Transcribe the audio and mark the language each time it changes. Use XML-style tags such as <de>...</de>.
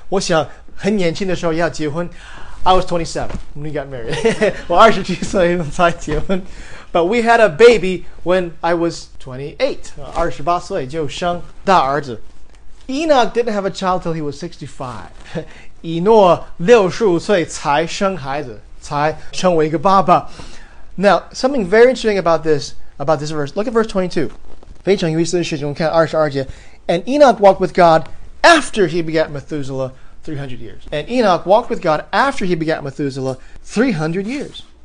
<zh>我想很年轻的时候要结婚.</zh> <en>I was 27 when we got married.</en> <zh>我27岁才结婚.</zh> <en>But we had a baby when I was 28.</en> <zh>28岁就生大儿子.</zh> <en>Enoch didn't have a child till he was 65.</en> <zh>以诺65岁才生孩子,才成为一个爸爸.</zh> <en>Now, something very interesting about this verse. Look at verse 22.</en> <zh>非常有意思的事情,我们看22节.</zh> <en>And Enoch walked with God after he begat Methuselah 300 years. And Enoch walked with God after he begat Methuselah 300 years.</en>